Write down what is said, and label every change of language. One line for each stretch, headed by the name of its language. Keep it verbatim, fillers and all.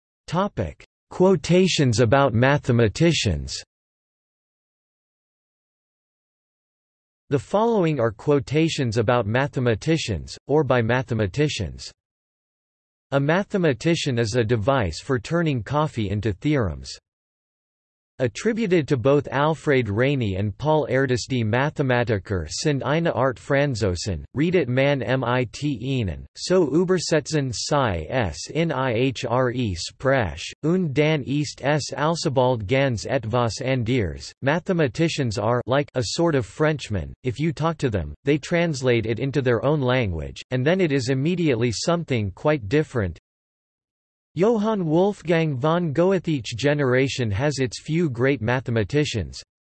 English: Topic: Quotations about mathematicians. The following are quotations about mathematicians, or by mathematicians. A mathematician is a device for turning coffee into theorems. Attributed to both Alfred Reiney and Paul Erdős,
German: Die Mathematiker sind eine Art Franzosen, redet man mit ihnen, so übersetzen sie es in ihre Sprache, und dann ist es alsobald ganz etwas anderes.
English: Mathematicians are like a sort of Frenchman. If you talk to them, they translate it into their own language, and then it is immediately something quite different. Johann Wolfgang von Goethe. Each generation has its few great mathematicians.